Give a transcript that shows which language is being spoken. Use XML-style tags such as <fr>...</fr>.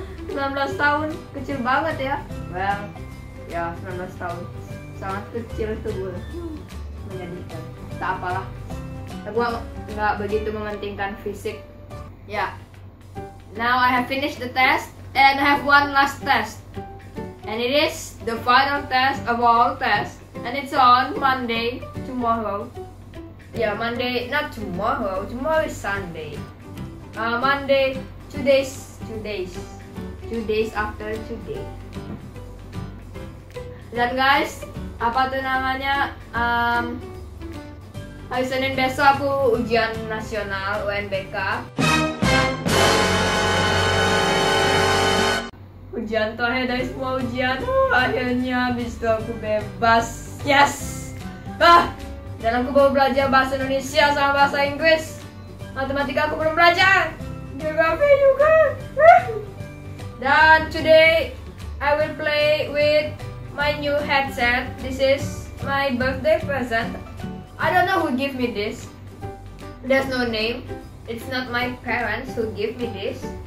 <id>19 tahun, kecil banget ya. Well, ya 19 tahun sangat kecil tubuhnya. Menyedihkan, tak apalah. Aku gak begitu mementingkan fisik. Ya.</id> <en>Now I have finished the test and I have one last test. And it is the final test of all tests. And it's on Monday, tomorrow. Yeah, Monday, not tomorrow. Tomorrow is Sunday. Monday, two days. 2 days after today.</en> <id>Dan guys, apa tuh namanya? Hari Senin besok aku ujian nasional UNBK. Ujian terakhir dari semua ujian. Akhirnya abis itu aku bebas. Yes! Dan aku baru belajar bahasa Indonesia sama bahasa Inggris. Matematika aku belum belajar. Geografi juga.</id> <en>Dan today I will play with my new headset. This is my birthday present. I don't know who give me this. There's no name. It's not my parents who give me this.</en>